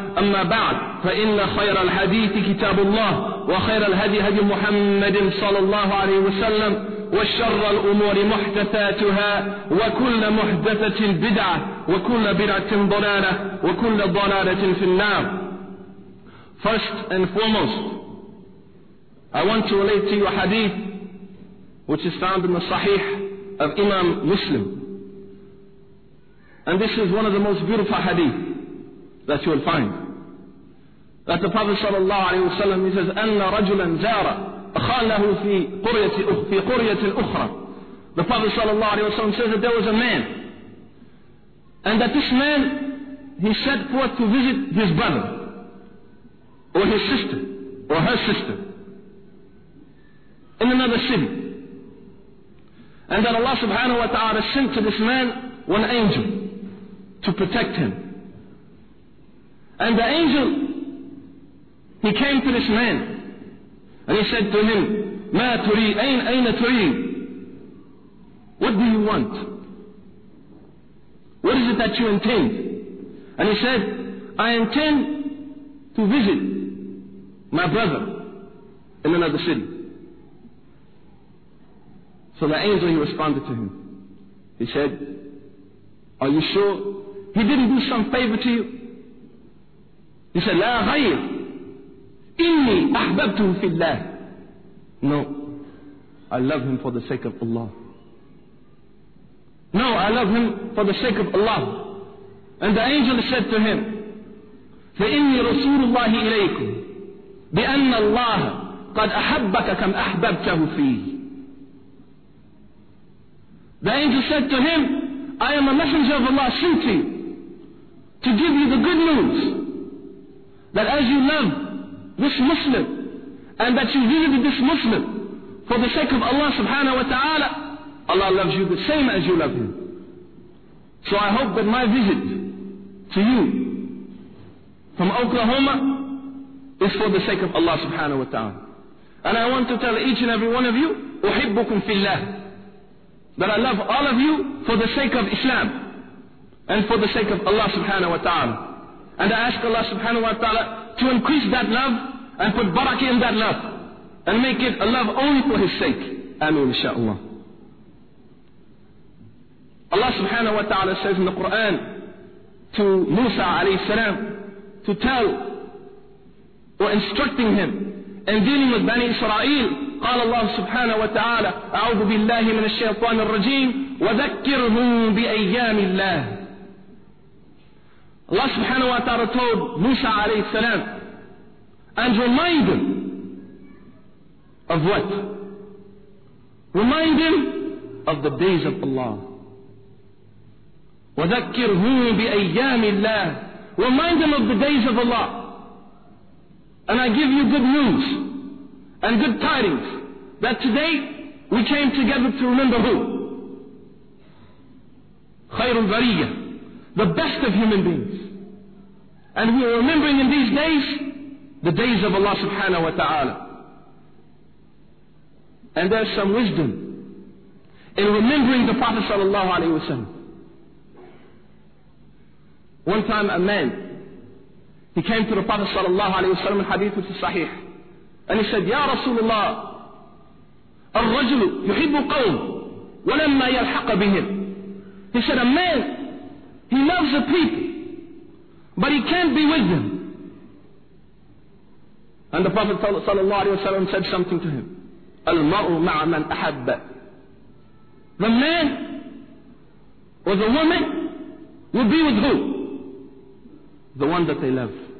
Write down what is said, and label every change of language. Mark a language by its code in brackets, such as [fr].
[ar] أما بعد، فإن خير الحديث كتاب الله وخير الهدي هدي محمد صلى الله عليه وسلم وشر الأمور محدثاتها وكل محدثة بدعة وكل بدعة ضلالة وكل ضلالة في النار. [en] First and foremost, I want to relate to you a hadith which is found in the Sahih of Imam Muslim. And this is one of the most beautiful hadith that you will find. That the Prophet [ar] صلى الله عليه وسلم, he says, أَنَّ رَجُلًا زَارَ أَخَالَهُ فِي قُرْيَةٍ أُخْرَى. [en] The Prophet صلى الله عليه وسلم says that there was a man. And that this man, he set forth to visit his brother, or his sister, or her sister, in another city. And that Allah subhanahu wa ta'ala sent to this man one angel to protect him. And the angel, he came to this man and he said to him, [ar] ما تري أين تري. [en] What do you want? What is it that you intend? And he said, I intend to visit my brother in another city. So the angel, he responded to him. He said, are you sure he didn't do some favor to you? [ar] He said, لا غير إني أحببته في الله. [en] No, I love him for the sake of Allah. No, I love him for the sake of Allah. And the angel said to him, [ar] فإني رسول الله إليكم بأن الله قد أحبك كم أحببته فيه. [en] The angel said to him, I am a messenger of Allah sent to you to give you the good news that as you love this Muslim and that you visited this Muslim for the sake of Allah subhanahu wa ta'ala, Allah loves you the same as you love him. So I hope that my visit to you from Oklahoma is for the sake of Allah subhanahu wa ta'ala. And I want to tell each and every one of you, [ar] أُحِبُّكُمْ فِي اللَّهِ, [en] that I love all of you for the sake of Islam and for the sake of Allah subhanahu wa ta'ala. And I ask Allah subhanahu wa ta'ala to increase that love and put barakah in that love and make it a love only for his sake. Ameen, inshaAllah. Allah subhanahu wa ta'ala says in the Quran, to Musa alayhi salam to tell or instructing him and dealing with Bani Israel. [ar] قال الله سبحانه وتعالى أعوذ بالله من الشيطان الرجيم وذكرهم بأيام الله. [en] Allah subhanahu wa ta'ala told Musa alayhi salam and remind him of what? Remind him of the days of Allah. [ar] وذكرهم بأيام الله. [en] Remind him of the days of Allah. And I give you good news and good tidings that today we came together to remember who? [ar] خير البرية, [en] the best of human beings. And we are remembering in these days the days of Allah subhanahu wa ta'ala. And there's some wisdom in remembering the Prophet sallallahu alayhi wa sallam. One time a man, he came to the Prophet sallallahu alayhi wa sallam in hadith which is sahih. And he said, [ar] Ya Rasulullah, الرجل يحب القوم ولما يلحق بهم. [en] He said, a man, he loves the people, but he can't be with them. And the Prophet sallallahu alayhi wa sallam said something to him. [ar] المرء مع من أحب. [en] The man or the woman will be with who? The one that they love.